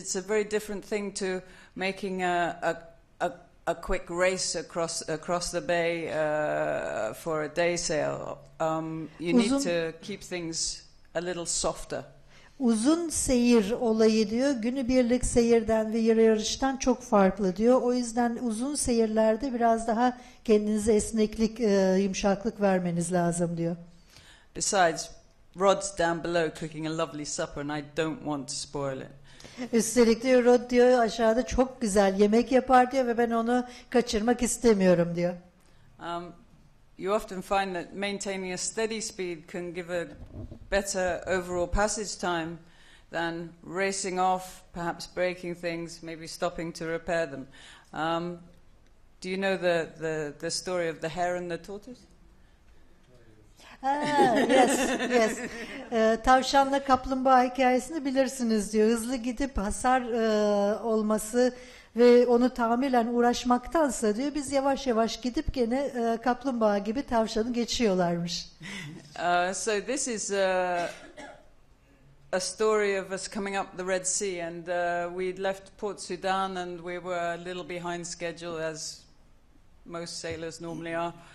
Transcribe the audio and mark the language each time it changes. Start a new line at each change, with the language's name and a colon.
English: It's a very different thing to making a quick race across the bay for a day sail. You need to keep things a little softer.
Turkish: Uzun seyir olayı diyor, günübirlik seyirden ve yarıştan çok farklı diyor. O yüzden uzun seyirlerde biraz daha kendinize esneklik, yumuşaklık vermeniz lazım diyor.
English: Besides, Rod's down below cooking a lovely supper and I don't want to spoil it.
Turkish: Üstelik diyor, Rod diyor aşağıda çok güzel yemek yapar diyor ve ben onu kaçırmak istemiyorum diyor.
English: You often find that maintaining a steady speed can give a better overall passage time than racing off, perhaps breaking things, maybe stopping to repair them. Do you know the story of the hare and the tortoise? Yes.
Turkish: Tavşanla kaplumbağa hikayesini bilirsiniz diyor. Hızlı gidip hasar olması ve onu tamirle uğraşmaktansa diyor, biz yavaş yavaş gidip gene kaplumbağa gibi tavşanı geçiyorlarmış.
English: So this is a story of us coming up the Red Sea and we'd left Port Sudan and we were a little behind schedule as most sailors normally are.